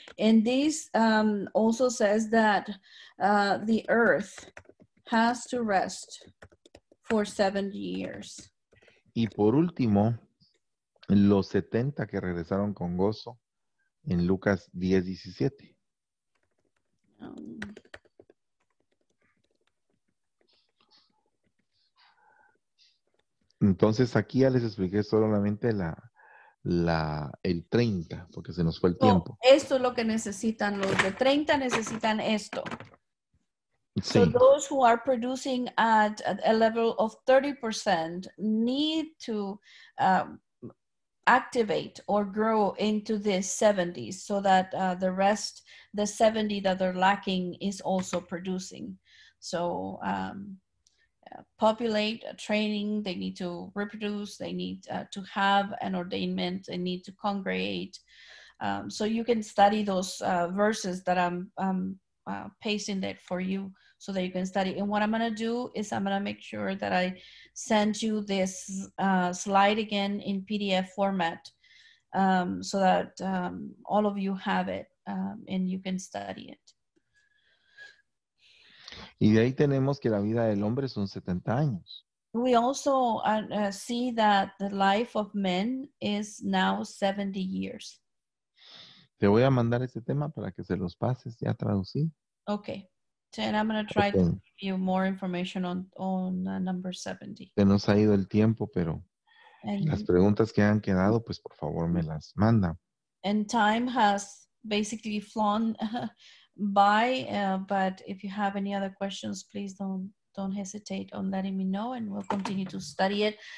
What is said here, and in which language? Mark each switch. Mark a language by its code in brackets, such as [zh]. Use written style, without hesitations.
[en] And this also says that the earth has to rest for 70 years. [es] Y por último, los 70 que regresaron con gozo en Lucas 10:17. Entonces aquí ya les expliqué solamente el 30, porque se nos fue el tiempo. Esto es lo que necesitan los de 30, necesitan esto. Sí. [en] So those who are producing at a level of 30% need to activate or grow into this 70 so that the rest, the 70 that they're lacking is also producing. So populate, training, they need to reproduce, they need to have an ordainment, they need to congregate. So you can study those verses that I'm pasting that for you so that you can study. And what I'm going to do is I'm going to make sure that I send you this slide again in PDF format so that all of you have it and you can study it. [es] Y de ahí tenemos que la vida del hombre son 70 años. [en] We also see that the life of men is now 70 years. [es] Te voy a mandar ese tema para que se los pases ya traducido. [en] Okay. So, and I'm going to try to give you more information on number 70. [es] Se nos ha ido el tiempo, pero [en] and [es] las preguntas que han quedado, pues por favor me las manda. [en] And time has basically flown by, but if you have any other questions, please don't hesitate on letting me know and we'll continue to study it.